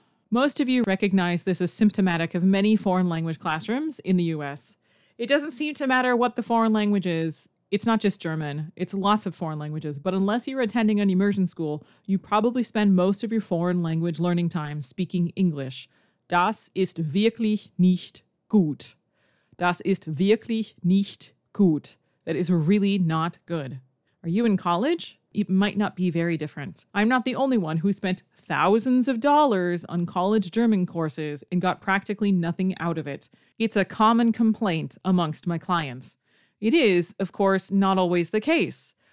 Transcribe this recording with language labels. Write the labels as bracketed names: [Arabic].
[English] Most of you recognize this as symptomatic of many foreign language classrooms in the US. It doesn't seem to matter what the foreign language is. It's not just German. It's lots of foreign languages. But unless you're attending an immersion school, you probably spend most of your foreign language learning time speaking English. [German] Das ist wirklich nicht gut. Das ist wirklich nicht gut. [English] That is really not good. Are you in college? It might not be very different. I'm not the only one who spent thousands of dollars on college German courses and got practically nothing out of it. It's a common complaint amongst my clients. It is, of course, not always the case.